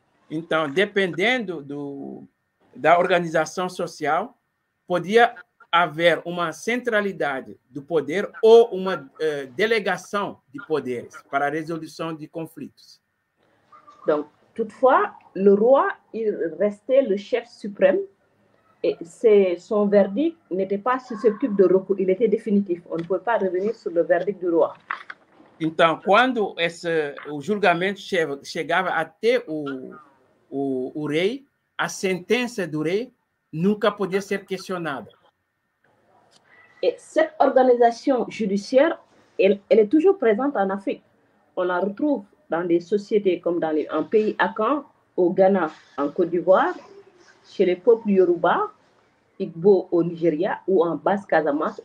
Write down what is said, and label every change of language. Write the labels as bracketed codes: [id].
[pt] Então, dependendo da organização social, podia haver uma centralidade do poder ou uma delegação de poderes para a resolução de conflitos. [fr] Donc, toutefois, le roi il restait le chef suprême et c'est son verdict n'était pas susceptible de recours, il était définitif. On ne pouvait pas revenir sur le verdict du roi. [pt] Então, quando esse o julgamento chegava até o rei, a sentença do rei nunca podia ser questionada. [fr] Et cette organisation judiciaire, elle est toujours présente en Afrique. On la retrouve dans des sociétés comme dans les en pays Akan, au Ghana, en Côte d'Ivoire, chez les peuples Yoruba, Igbo au Nigeria ou en Basse-Casamance.